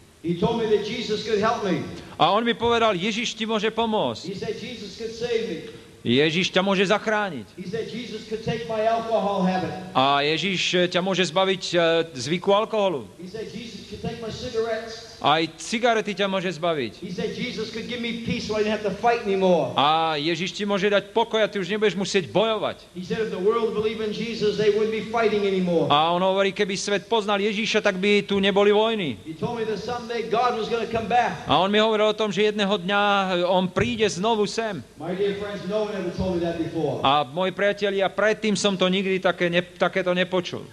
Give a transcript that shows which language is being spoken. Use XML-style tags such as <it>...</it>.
<en>He told me that Jesus could help me.</en> <sk>A on mi povedal, Ježiš ti môže pomôcť.</sk> <en>He said Jesus could save me.</en> <sk>Ježiš ťa môže zachrániť.</sk> <en>He said Jesus could take my alcohol habit.</en> <sk>A Ježiš ťa môže zbaviť zvyku alkoholu.</sk> <en>He said Jesus could take my cigarettes.</en> <sk>Aj cigarety ťa môže zbaviť.</sk> <en>He said Jesus could give me peace so I didn't have to fight anymore.</en> <sk>A Ježiš ti môže dať pokoj a ty už nebudeš musieť bojovať.</sk> <en>He said if the world believed in Jesus, they wouldn't be fighting anymore.</en> <sk>A on hovorí, keby svet poznal Ježiša, tak by tu neboli vojny.</sk> <en>He told me that someday God was going to come back.</en> <sk>A on mi hovoril o tom, že jedného dňa on príde znovu sem.</sk> <en>My dear friends, no one ever told me that before.</en> <sk>A moji priatelia, predtým som to nikdy takéto nepočul.</sk>